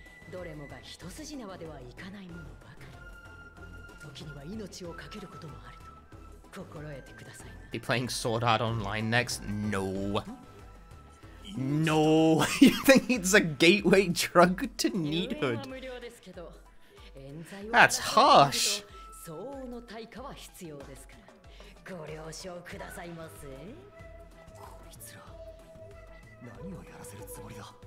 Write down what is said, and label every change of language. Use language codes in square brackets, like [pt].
[ja] どれもが一筋縄ではいかないものばかり。時には命を懸けることもあると心得てください。 [en] Be playing Sword Art Online next? No. No. You think it's a gateway drug to needhood? [ja] 無料ですけど、冤罪は。 [en] That's harsh. [ja] 相応の対価は必要ですから、ご了承くださいませ。こいつら、何をやらせるつもりだ。